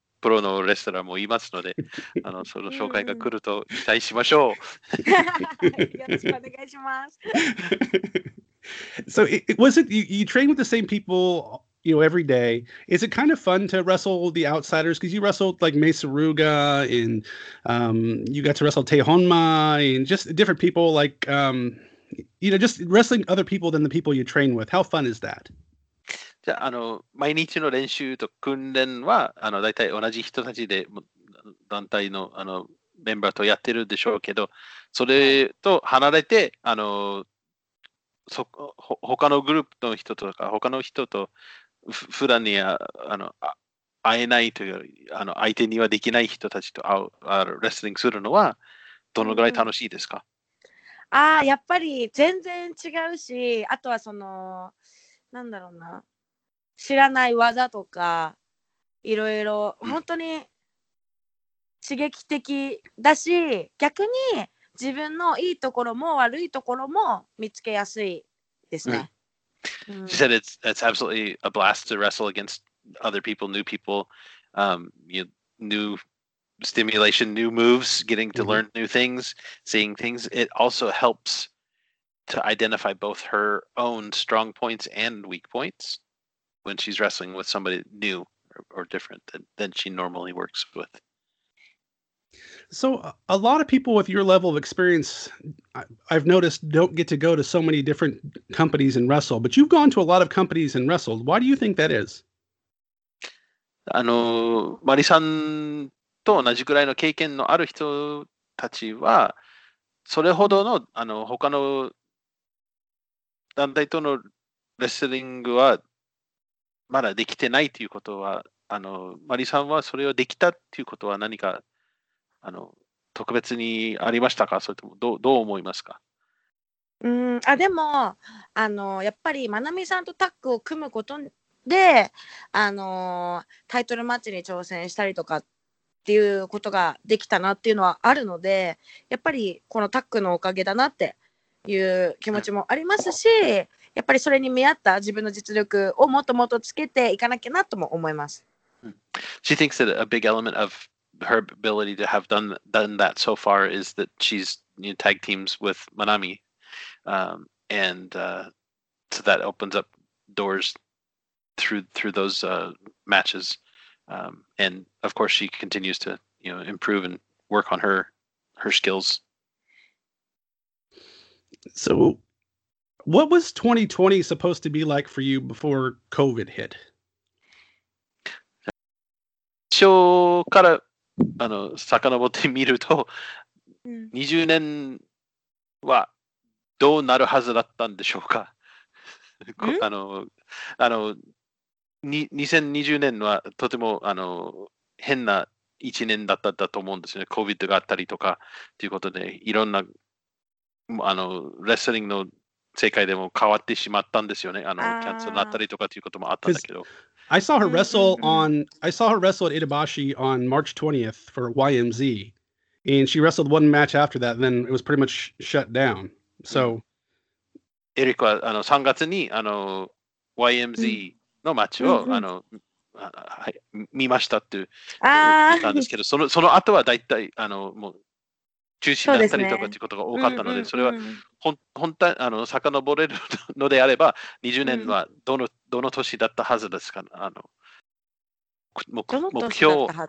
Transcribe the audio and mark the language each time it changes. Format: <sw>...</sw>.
<ja>プロのレスラーもいますので、あのその紹介が来ると期待しましょう。よろしくお願いします。</ja> <en>So it, was it you train with the same people, you know, every day? Is it kind of fun to wrestle the outsiders? Because you wrestled like Mei Tsuruga and you got to wrestle Tei Honma and just different people like, you know, just wrestling other people than the people you train with. How fun is that?</en> <ja>じゃあ、 あの毎日の練習と訓練はあの大体同じ人たちで団体 の、 あのメンバーとやってるでしょうけど、それと離れてあのそ他のグループの人とか他の人と普段にはあのあ会えないというあの相手にはできない人たちと会うあのレスリングするのはどのぐらい楽しいですか、うん、あやっぱり全然違うし、あとはそのなんだろうな、知らない技とかいろいろ本当に刺激的だし、逆に自分のいいところも悪いところも見つけやすいですね。</ja> <en>She said it's absolutely a blast to wrestle against other people, new people, you know, new stimulation, new moves, getting to learn new things, seeing things. It also helps to identify both her own strong points and weak points. When she's wrestling with somebody new or different than she normally works with. So a lot of people with your level of experience, I've noticed, don't get to go to so many different companies and wrestle, but you've gone to a lot of companies and wrestled. Why do you think that is?</en> <ja>あの、マリさんと同じくらいの経験のある人たちは、それほどの、あの、他の団体とのレスリングはまだできてないということは、あの、マリさんはそれをできたということは何か、あの、特別にありましたか？それともどう思いますか？あ、でも、あの、やっぱり、マナミさんとタッグを組むことで、あの、タイトルマッチに挑戦したりとかっていうことができたなっていうのはあるので、やっぱりこのタッグのおかげだなっていう気持ちもありますし、やっぱりそれに見合った自分の実力をもっともっとつけていかなきゃなとも思います。</ja> <en>She thinks that a big element of her ability to have done that so far is that she's new tag teams with Manami. So that opens up doors through those matches. And of course she continues to, you know, improve and work on her skills. So... What was 2020 supposed to be like for you before COVID hit?</en> <ja>一応からあの遡ってみると、うん、20年はどうなるはずだったんでしょうか？うん、あの2020年はとてもあの変な1年だったと思うんですね。 COVID があったりとかということで、いろんなあのレスリングの世界でも変わってしまったんですよね。あのキャンセルになったりとかということもあったんだけど。</ja> <en>I saw her wrestle on. I saw her wrestle at Itabashi on March 20th for YMZ, and she wrestled one match after that. And then it was pretty much shut down. So,</en> <ja>エリコはあの3月にあの YMZ のマッチをあの見ましたって言ったんですけど、その後はだいたいあのもう。中止になったりとかっていうことが多かったので、それは本当あの遡れるのであれば、20年はどの年だったはずですか、あの目標</ja>